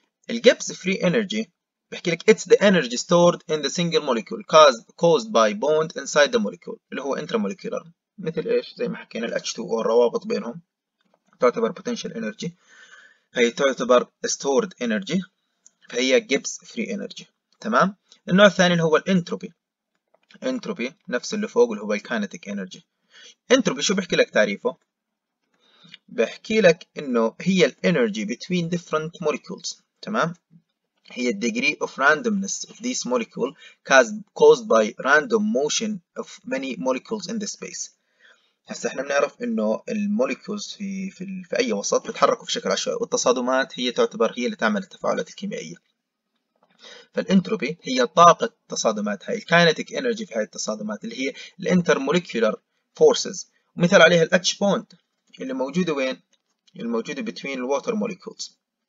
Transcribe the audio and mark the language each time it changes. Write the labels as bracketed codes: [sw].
[ar] الجيبس فري انرجي بحكي لك [en] it's the energy stored in the single molecule caused by bond inside the molecule, [ar] اللي هو انترا مولكيولر، مثل ايش؟ زي ما حكينا ال H2O الروابط بينهم تعتبر بوتنشال انرجي، فهي تعتبر ستورد انرجي، فهي جيبس فري انرجي، تمام. النوع الثاني اللي هو الانتروبي، انتروبي نفس اللي فوق اللي هو الكاينتيك انرجي. انتروبي شو بحكي لك تعريفه؟ بحكي لك انه هي الانرجي [en] between different molecules، [ar] تمام، هي [en] degree of randomness of this molecule caused by random motion of many molecules in the space. [ar] هسه احنا بنعرف انه المولكيولز في اي وسط بتحركوا بشكل عشوائي، والتصادمات هي تعتبر هي اللي تعمل التفاعلات الكيميائيه. فالإنتروبي هي طاقة تصادماتها، الكينيتيك إنرجي في هذه التصادمات اللي هي الانترموليكولار فورسز، ومثال عليها الاتش بوند اللي موجودة وين؟ الموجودة بين الواتر موليكولز.